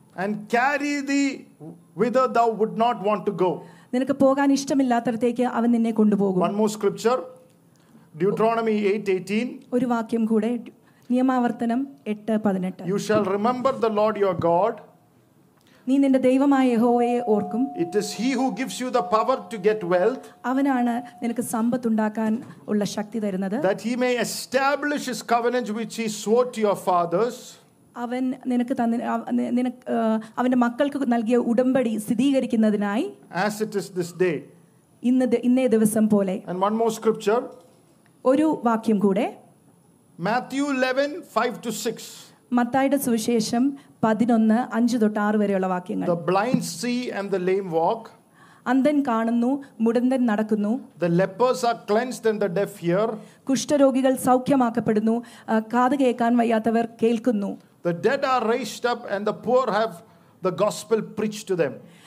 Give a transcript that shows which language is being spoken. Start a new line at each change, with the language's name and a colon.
English: and carry thee whither thou would not want to go,
Malayalam: നിനക്ക് പോകാൻ ഇഷ്ടമില്ലാത്തടത്തേക്ക് അവൻ നിന്നെ കൊണ്ടുപോകും.
English: One more scripture, Deuteronomy 8:18.
Malayalam: ഒരു വാക്യം കൂടെ, നിയമാവർത്തനം 8:18.
English: You shall remember the Lord your God.
Malayalam: നീ നിന്റെ ദൈവമായ യഹോവയെ ഓർക്കും.
English: It is he who gives you the power to get wealth.
Malayalam: അവനാണ് നിനക്ക് സമ്പത്ത് ഉണ്ടാക്കാൻ ഉള്ള ശക്തി തരുന്നത്.
English: That he may establish his covenant which he swore to your fathers.
Malayalam: അവൻ നിനക്ക് തന്ന അവന്റെ മക്കൾക്ക് നൽകിയ ഉടമ്പടി സ്ഥിരീകരിക്കുന്നതിനായി.
English: As it is this day.
Malayalam: ഇന്നേ ദിവസം പോലെ.
English: And one more scripture.
Malayalam: ഒരു വാക്യം കൂടെ.
English: Matthew 11:5-6.
Malayalam: മത്തായിയുടെ സുവിശേഷം 11:5-6 വരെയുള്ള വാക്യങ്ങൾ.
English: The blind see and the lame walk.
Malayalam: അന്ധൻ കാണുന്നു, മുടന്തൻ നടക്കുന്നു.
English: The lepers are cleansed and the deaf hear.
Malayalam: കുഷ്ഠരോഗികൾ സൗഖ്യമാക്കപ്പെടുന്നു, കാത് കേൾക്കാൻ വയ്യാത്തവർ കേൾക്കുന്നു.
English: The dead are raised up and the poor have the gospel preached to them.